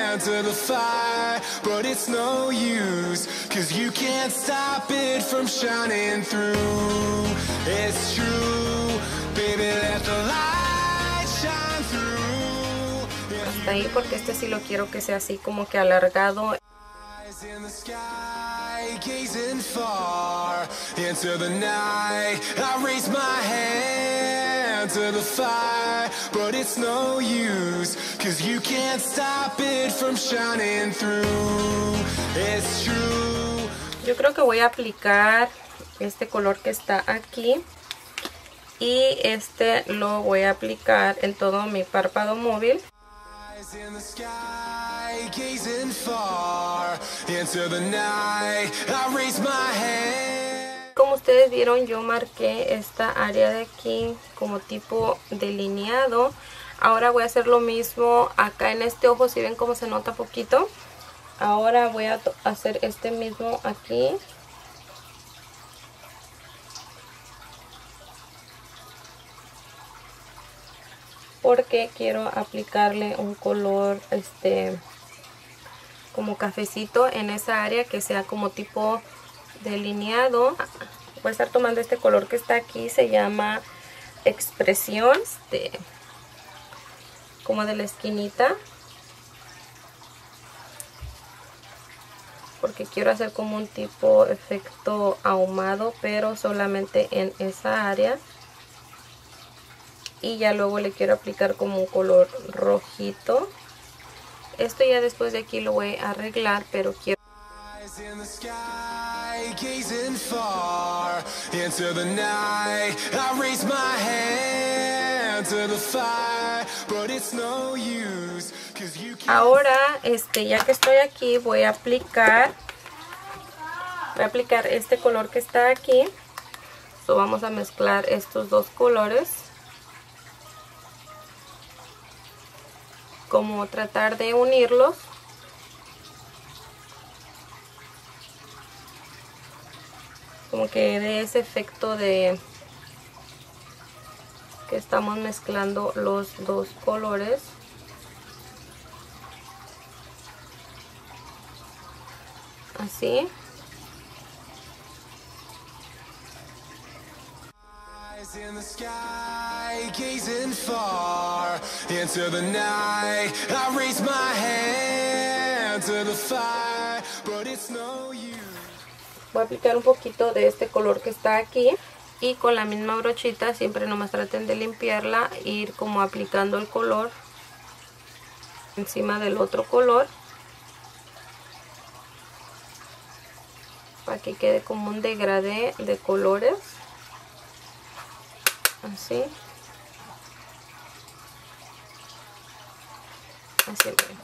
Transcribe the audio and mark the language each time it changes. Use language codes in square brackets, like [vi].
[en] To the fire, but it's no use, 'cause you can't stop it from shining through. It's true, baby, let the light shine through. [es] Hasta ahí, porque este sí lo quiero que sea así como que alargado. [en] Eyes in the sky, gazing far into the night, I raise my hand to the fire, but it's no use, 'cause you can't stop it from shining through. It's true. [es] Yo creo que voy a aplicar este color que está aquí y este lo voy a aplicar en todo mi párpado móvil. [en] Eyes in the sky, gazing far into the night, I raise my hand. [es] Como ustedes vieron, yo marqué esta área de aquí como tipo delineado. Ahora voy a hacer lo mismo acá en este ojo, si ven cómo se nota poquito. Ahora voy a hacer este mismo aquí. Porque quiero aplicarle un color como cafecito en esa área, que sea como tipo delineado. Voy a estar tomando este color que está aquí, se llama Expresión, como de la esquinita, porque quiero hacer como un tipo efecto ahumado, pero solamente en esa área. Y ya luego le quiero aplicar como un color rojito. Esto ya después de aquí lo voy a arreglar, pero quiero... [en] In the sky, gazing far into the night, I raise my hand to the fire, but it's no use, 'cause you can't... [es] Ahora, ya que estoy aquí, voy a aplicar este color que está aquí. So vamos a mezclar estos dos colores, como tratar de unirlos. Como que de ese efecto de que estamos mezclando los dos colores. Así. [en] In the sky, gazing far into the night, I raise my hand to the fire, but it's no use. [es] Voy a aplicar un poquito de este color que está aquí y con la misma brochita, siempre nomás traten de limpiarla, ir como aplicando el color encima del otro color para que quede como un degradé de colores, así, así.